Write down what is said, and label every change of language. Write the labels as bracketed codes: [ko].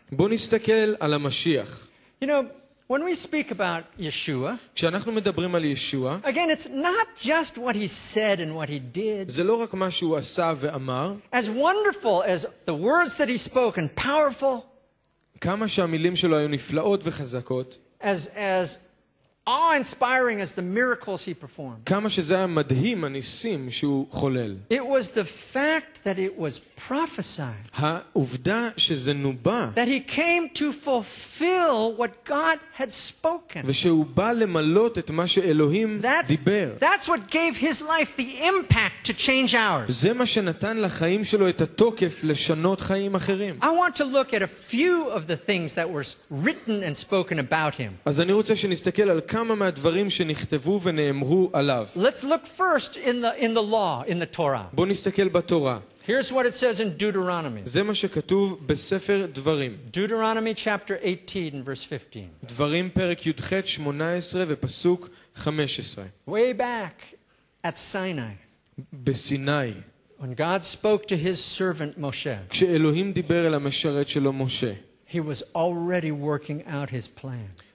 [he] בוא נסתכל על המשיח. [en] You know, when we speak about Yeshua, [he] כשאנחנו מדברים על ישוע, [en] again, it's not just what he said and what he did. [he] זה לא רק מה שהוא עשה ואמר. [en] As wonderful as the words that he spoke and powerful. [he] כמה שהמילים שלו היו נפלאות וחזקות. [en] As awe-inspiring as the miracles he performed. [he] כמה שזה היה מדהים הניסים שהוא חולל. [en] It was the fact that it was prophesied. [he] העובדה שזה נובא. [en] That he came to fulfill what God had spoken. [he] ושהוא בא למלות את מה שאלוהים דיבר. [en] That's what gave his life the impact to change ours. [he] זה מה שנתן לחיים שלו את התוקף לשנות חיים אחרים. [en] I want to look at a few of the things that were written and spoken about him. [he] אז אני רוצה שנסתכל על כמה מהדברים שנכתבו ונאמרו עליו. [en] Let's look first in the law, in the Torah. [he] בוא נסתכל בתורה. [en] Here's what it says in Deuteronomy. [he] זה מה שכתוב בספר דברים. [en] Deuteronomy chapter 18 verse 15. [he] דברים פרק י"ח 18 ופסוק 15. [en] Way back at Sinai. [he] בסיני. [en] When God spoke to his servant Moshe. [he] כשאלוהים דיבר אל המשרת שלו משה. [en] He was already working out his plan.